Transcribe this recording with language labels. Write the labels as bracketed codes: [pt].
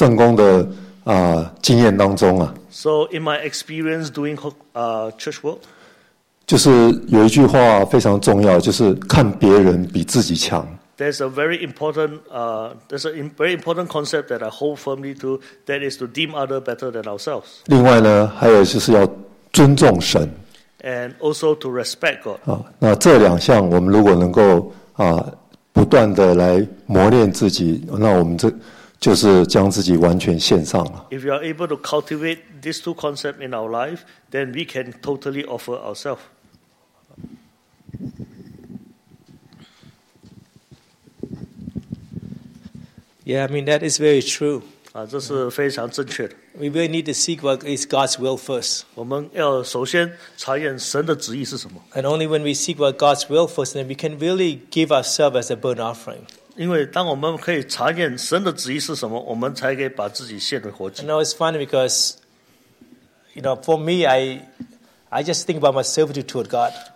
[zh] 我在从事圣工的经验当中啊。 [en] So in my experience doing church work. [zh] 就是有一句话非常重要，就是看别人比自己强。 [en] There's a very important concept that I hold firmly to, that is to deem other better than ourselves. [zh] 另外呢，还有就是要尊重神。 [en] And also to respect God. [zh] 那这两项我们如果能够不断的来磨练自己，那我们这就是将自己完全献上了。 [en] If you are able to cultivate these two concepts in our life, then we can totally offer ourselves. Yeah, I mean, that is very true. [zh] 这是非常正确的。 [en] We really need to seek what is God's will first. [zh] 我们要首先查验神的旨意是什么。 [en] And only when we seek what God's will first, then we can really give ourselves as a burnt offering. [zh] 因为当我们可以查验神的旨意是什么，我们才可以把自己献为活祭。 [en] I know it's funny because, you know, for me, I just think about my servitude toward God.